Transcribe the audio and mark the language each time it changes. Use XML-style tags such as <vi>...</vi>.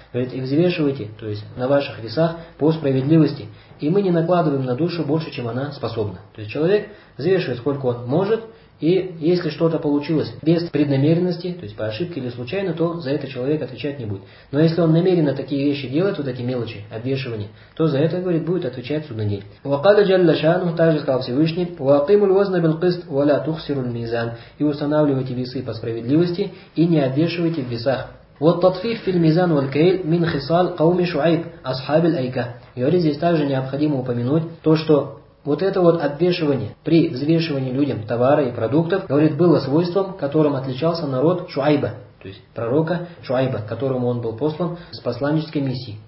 <ru>Говорит, и взвешивайте, то есть на ваших весах, по справедливости, и мы не накладываем на душу больше, чем она способна. То есть человек взвешивает, сколько он может. И если что-то получилось без преднамеренности, то есть по ошибке или случайно, то за это человек отвечать не будет. Но если он намеренно такие вещи делает, вот эти мелочи, обвешивания, то за это, говорит, будет отвечать судный день.</ru> <ar>وَقَالَ جَلَّ شَانُهُ,</ar> <ru>также сказал Всевышний:</ru> <ar>وَقِيمُ الْوَزْنَ بِالْقِسْطِ وَلَا تُخْسِرُ الْمِيزَانِ.</ar> <ru>И устанавливайте весы по справедливости и не обвешивайте в весах.</ru> <ar>وَالتَّطْفِيفُ فِي الْمِيزَانِ وَالْكَيْلِ مِنْ خِصَالِ قَوْمِ شُعَيْبٍ أَصْحَابِ الْأَيْكَةِ.</ar> <ru>Говорит, здесь также необходимо упомянуть то, что вот это вот обвешивание при взвешивании людям товара и продуктов, говорит, было свойством, которым отличался народ Шуайба, то есть пророка Шуайба, которому он был послан с посланнической миссией.</ru>